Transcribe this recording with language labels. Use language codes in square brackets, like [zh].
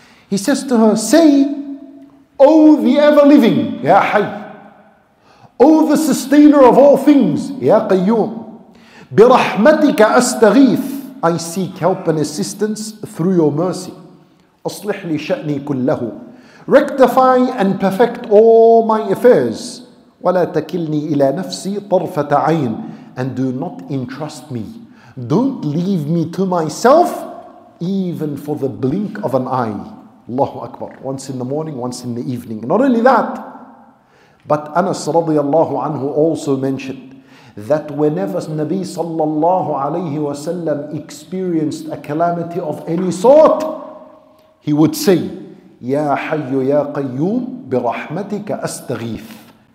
[en] He says to her, say, O the ever-living, [ar] يَا حَيُّ, [en] O the sustainer of all things, Ya Qayyum, [ar] بِرَحْمَتِكَ أَسْتَغِيثُ, [en] I seek help and assistance through your mercy. [ar] أَصْلِحْ لِي شَأْنِي كُلَّهُ, [en] rectify and perfect all my affairs. [ar] وَلَا تَكِلْنِي إِلَى نَفْسِي طَرْفَةَ عَيْنِ, [en] and do not entrust me. Don't leave me to myself, even for the blink of an eye. Allahu Akbar. Once in the morning, once in the evening. Not only that, but Anas radiallahu anhu also mentioned that whenever Nabi sallallahu alayhi wa sallam experienced a calamity of any sort, he would say, Ya Hayyu Ya Qayyum bi rahmatika astaghif.